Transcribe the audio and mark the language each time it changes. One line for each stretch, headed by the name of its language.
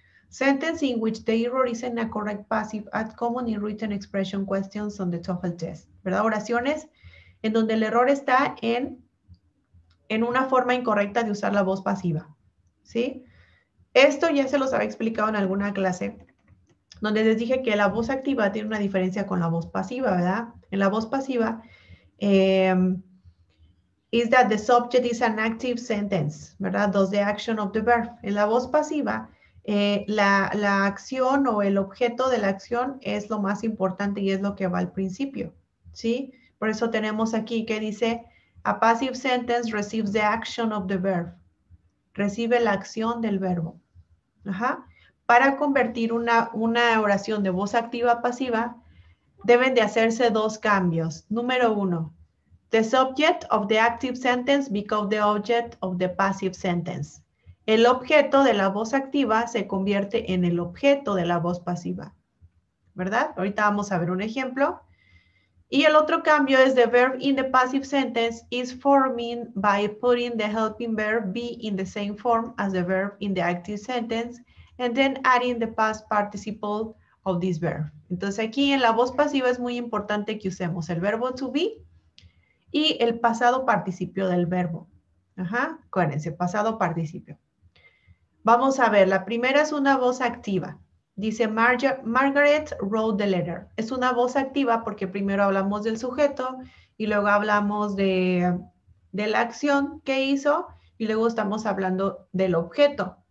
English: Sentence in which the error is in a correct passive at common in written expression questions on the TOEFL test,
Spanish: ¿verdad? Oraciones en donde el error está en una forma incorrecta de usar la voz pasiva, ¿sí? Esto ya se los había explicado en alguna clase, donde les dije que la voz activa tiene una diferencia con la voz pasiva, ¿verdad? En la voz pasiva,
English: is that the subject is an active sentence,
Spanish: ¿verdad?
English: Does the action of the verb.
Spanish: En la voz pasiva, la acción o el objeto de la acción es lo más importante y es lo que va al principio, ¿sí? Por eso tenemos aquí que dice,
English: a passive sentence receives the action of the verb.
Spanish: Recibe la acción del verbo. Ajá. Para convertir una oración de voz activa a pasiva, deben de hacerse dos cambios. Número uno,
English: the subject of the active sentence becomes the object of the passive sentence.
Spanish: El objeto de la voz activa se convierte en el objeto de la voz pasiva. ¿Verdad? Ahorita vamos a ver un ejemplo. Y el otro cambio es
English: the verb in the passive sentence is forming by putting the helping verb be in the same form as the verb in the active sentence and then adding the past participle of this verb.
Spanish: Entonces aquí en la voz pasiva es muy importante que usemos el verbo to be y el pasado participio del verbo. Ajá, acuérdense, pasado participio. Vamos a ver, la primera es una voz activa. Dice,
English: Margaret wrote the letter.
Spanish: Es una voz activa porque primero hablamos del sujeto y luego hablamos de la acción que hizo y luego estamos hablando del objeto.